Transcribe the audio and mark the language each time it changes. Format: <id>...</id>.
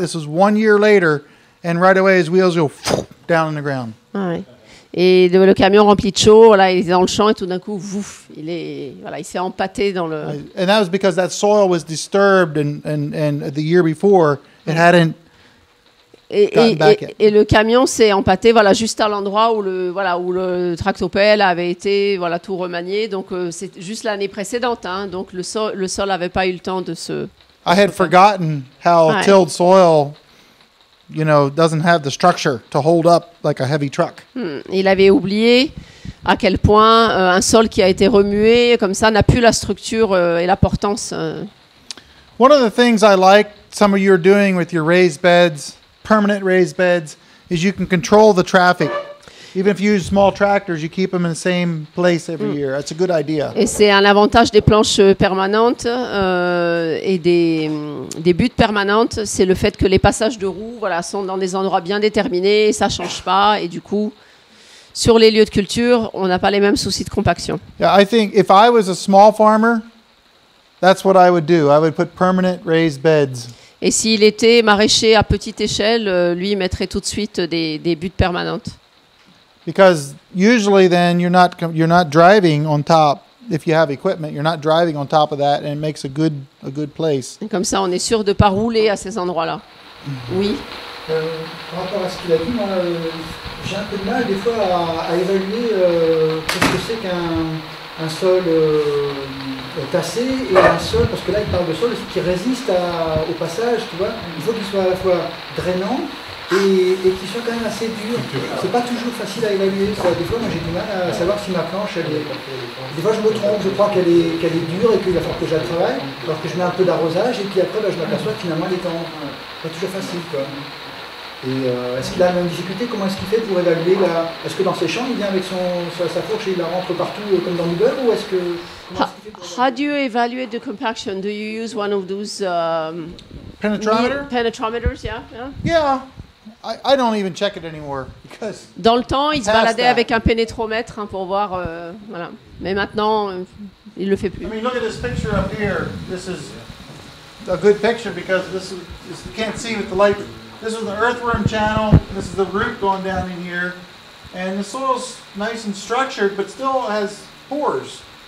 <en>This was 1 year later, and right away his wheels go down in the ground.</en> <fr>Ouais. Et le camion rempli de chaux, voilà, il est dans le champ et tout d'un coup, vouf, il s'est empâté dans le.</fr> <en>And that was because that soil was disturbed and the year before it hadn't.</en> <fr>Et le camion s'est empâté, voilà, juste à l'endroit où le tractopelle avait été, voilà, tout remanié. Donc c'est juste l'année précédente, hein. Donc le sol n'avait pas eu le temps de se.</fr> <en>I had forgotten how tilled soil, you know, doesn't have the structure to hold up like a heavy truck.</en> <fr>Il avait oublié à quel point un sol qui a été remué comme ça n'a plus la structure et la portance.</fr> <en>One of the things I like some of you are doing with your raised beds. Permanent raised beds is you can control the traffic. Even if you use small tractors, you keep them in the same place every year. That's a good idea.</en> <fr>Et c'est un avantage des planches permanentes et des buttes permanentes, c'est le fait que les passages de roues, voilà, sont dans des endroits bien déterminés, ça change pas, et du coup, sur les lieux de culture, on n'a pas les mêmes soucis de compaction.</fr> <en>Yeah, I think if I was a small farmer, that's what I would do. I would put permanent raised beds.</en> <fr>Et s'il était maraîcher à petite échelle, lui mettrait tout de suite des buttes permanentes.</fr> <en>Because usually then you're not driving on top. If you have equipment, you're not driving on top of that, and it makes a good place.</en> <fr>Et comme ça, on est sûr de pas rouler à ces endroits-là. Oui. Par rapport à ce qu'il a dit, moi, j'ai un peu de mal des fois à évaluer qu'est-ce que c'est qu'un sol. Tassé et un sol, parce que là il parle de sol qui résiste au passage, tu vois. Il faut qu'il soit à la fois drainant et qu'il soit quand même assez dur. C'est pas toujours facile à évaluer. Ça. Des fois, moi j'ai du mal à savoir si ma planche, elle est. Des fois, je me trompe, je crois qu'elle est dure et qu'il va falloir que je la travaille, alors que je mets un peu d'arrosage et puis après, je m'aperçois qu'il a moins d'étang. Pas toujours facile, quoi. Et est-ce qu'il a la même difficulté? Comment est-ce qu'il fait pour évaluer la... Est-ce que dans ses champs, il vient avec sa fourche et il la rentre partout comme dans Uber, ou est-ce que...</fr> <en>How do you evaluate the compaction? Do you use one of those... Penetrometers, yeah. I don't even check it anymore.</en> <fr>Dans le temps, il se baladait avec un pénétromètre pour voir... voilà. Mais maintenant, il ne le fait plus.</fr> <en>I mean, look at this picture up here. This is a good picture because this you can't see with the light... This is the earthworm channel. This is the root going down in here. And the soil's nice and structured, but still has pores.</en>